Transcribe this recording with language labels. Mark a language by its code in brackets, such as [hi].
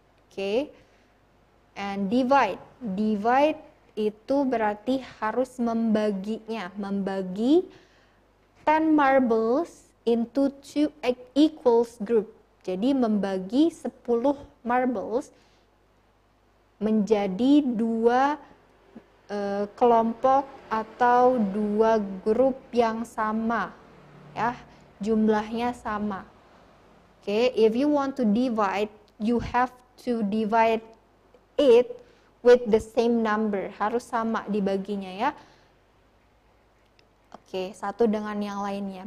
[en] Okay, and divide [id] itu berarti harus membaginya, membagi [en] 10 marbles into 2 equal groups. [id] Jadi membagi 10 marbles menjadi 2 kelompok atau 2 grup yang sama, ya, jumlahnya sama. [en] Oke, okay, if you want to divide, you have to divide it with the same number. [id] Harus sama dibaginya, ya. Oke, okay, satu dengan yang lainnya.